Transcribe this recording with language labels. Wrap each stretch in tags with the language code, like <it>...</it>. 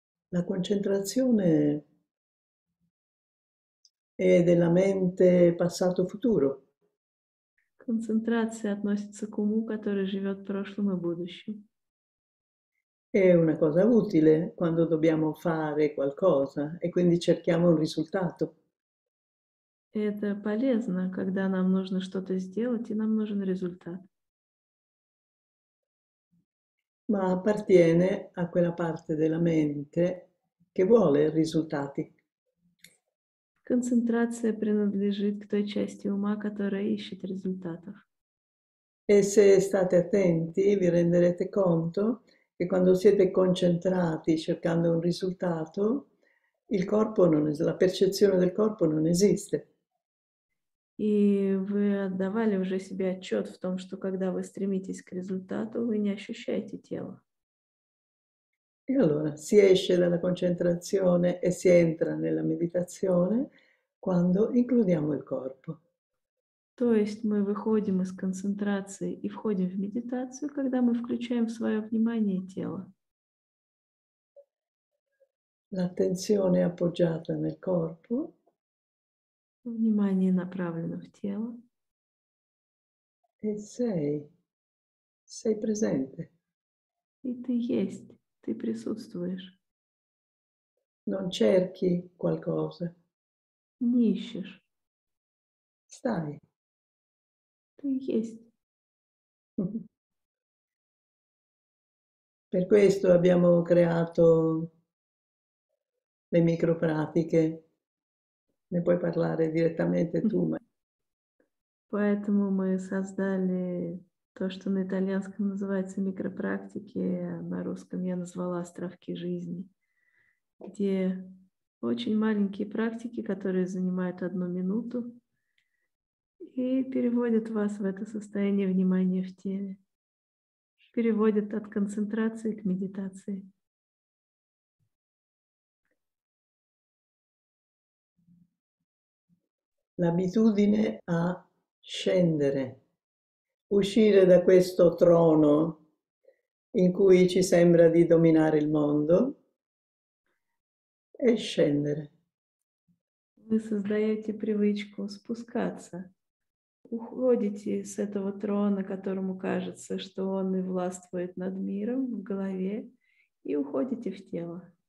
<it>La concentrazione e della mente passato-futuro.</it> <ru>Concentrazione относится к уму, который живет в прошлом и будущем.</ru> <it>È una cosa utile quando dobbiamo fare qualcosa e quindi cerchiamo un risultato.</it> <ru>Это полезно, когда нам нужно что-то сделать, и нам нужен результат.</ru> <it>Ma appartiene a quella parte della mente che vuole risultati.</it> <ru>Концентрация принадлежит к той части ума, которая ищет результатов.</ru> <it>E se state attenti, vi renderete conto che quando siete concentrati cercando un risultato, il corpo non es- la percezione del corpo non esiste.</it> <ru>И вы отдавали уже себе отчет в том, что когда вы стремитесь к результату, вы не ощущаете тело.</ru> <it>E allora si esce dalla concentrazione e si entra nella meditazione quando includiamo il corpo.</it> <ru>То есть мы выходим из концентрации и входим в медитацию, когда мы включаем в свое внимание тело.</ru> <it>L'attenzione appoggiata nel corpo</it> <ru>Внимание направлено в тело.</ru> <it>e sei presente.</it> <ru>И ты есть, ты присутствуешь.</ru> <it>Non cerchi qualcosa.</it> <ru>Не ищешь.</ru> <it>Stai.</it> <ru>Ты есть.</ru> <it>Per questo abbiamo creato le micro pratiche, ne puoi parlare direttamente tu, ma</it> <ru>Поэтому мы создали то, что на итальянском называется микропрактики, а на русском я назвала островки жизни, где очень маленькие практики, которые занимают 1 минуту и переводят вас в это состояние внимания в теле, переводят от концентрации к медитации.</ru> <it>l'abitudine a scendere, uscire da questo trono in cui ci sembra di dominare il mondo e scendere.</it> <ru>Вы создаете привычку спускаться, уходите с этого трона, которому кажется, что он и властвует над миром в голове, и уходите в тело.</ru>